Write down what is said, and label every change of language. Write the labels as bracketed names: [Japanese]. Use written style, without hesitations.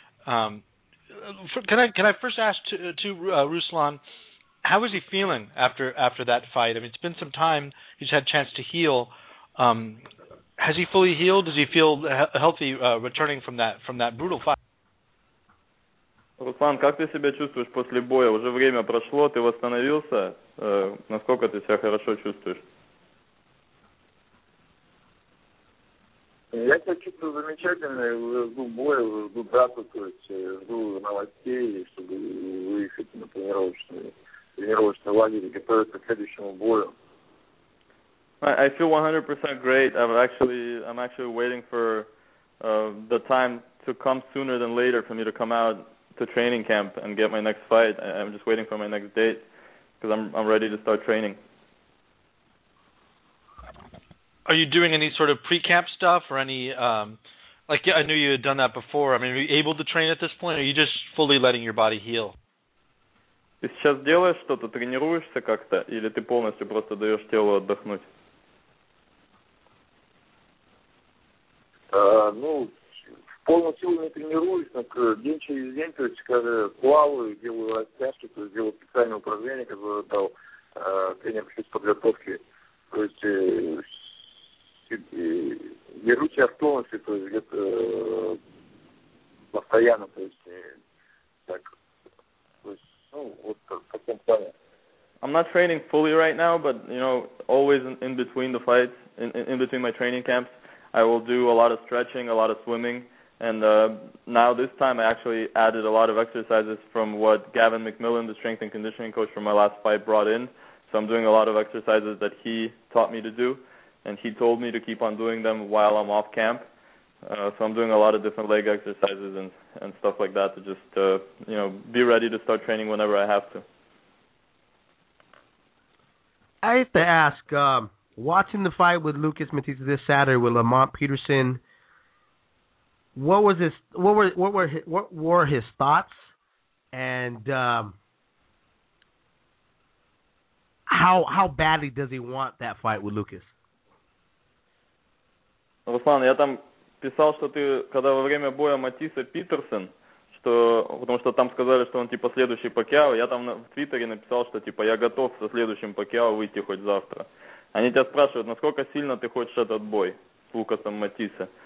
[English] Can I first ask to Ruslan, how is he feeling after that fight? I mean, it's been some time. He's had a chance to heal. Has he fully healed? Does he feel healthy returning from that brutal fight? [Russian] Руслан, как ты себя чувствуешь после боя? Уже время прошло, ты восстановился. Насколько ты себя хорошо чувствуешь? Я хочу про замечательное, жду боя, жду драку, то есть жду новостей, чтобы выехать на тренировочный лагерь и готовиться к следующему бою. [English] I feel 100% great. I'm actually waiting for the time to come sooner than later for me to come out to training camp and get my next fight. I'm just waiting for my next date because I'm ready to start training. Are you doing any sort of pre-camp stuff or any, I knew you had done that before. I mean, are you able to train at this point, or are you just fully letting your body heal? [Russian] Ты сейчас делаешь что-то, тренируешься как-то, или ты полностью просто даешь телу отдохнуть? Ну, в полную силу не тренируюсь, но день через день, то есть, когда плаваю, делаю растяжки, то есть, делаю специальные упражнения, которые дал тренер физподготовки, то есть, беру себя в тонусе, то есть, где-то постоянно, то есть, так, то есть, ну, вот в таком плане. [English] I'm not training fully right now, but, you know, always in between the fights, in between my training camps, I will do a lot of stretching, a lot of swimming, and now this time I actually added a lot of exercises from what Gavin McMillan, the strength and conditioning coach from my last fight, brought in. So I'm doing a lot of exercises that he taught me to do, and he told me to keep on doing them while I'm off camp. So I'm doing a lot of different leg exercises and stuff like that to just be ready to start training whenever I have to. I have to ask... watching the fight with Lucas Matisse this Saturday with Lamont Peterson, what were his thoughts, and how badly does he want that fight with Lucas? [Russian] Руслан, я там писал, что ты когда во время боя Матисса Питерсон, что потому что там сказали, что он типа следующий Пакьяо, я там в Твиттере написал, что типа я готов со следующим Пакьяо выйти хоть завтра. Они тебя спрашивают, насколько сильно ты хочешь этот бой с Лукасом Матисса.